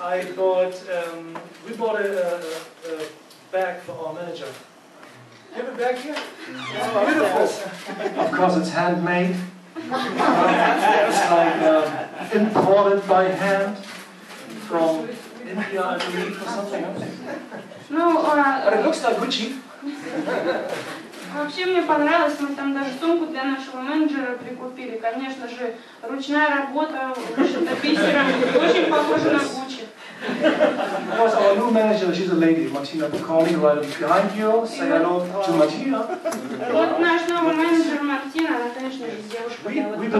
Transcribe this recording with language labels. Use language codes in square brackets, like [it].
[en] I bought, we bought a bag for our manager. Do you have a bag here? Yeah. Oh, beautiful. Of course, it's handmade. It's like imported by hand from India, I believe, or something else. No, but it looks like Gucci. [ru] Вообще мне понравилось, мы там даже сумку для нашего менеджера прикупили. Конечно же, ручная работа, вышита бисером, очень похожа на Gucci. [en] Of course, our new manager, she's a lady, Martina Piccoli, right behind you. Say hello to Martina. [ru] Вот наш новый менеджер Мартина, она, конечно же, девушка.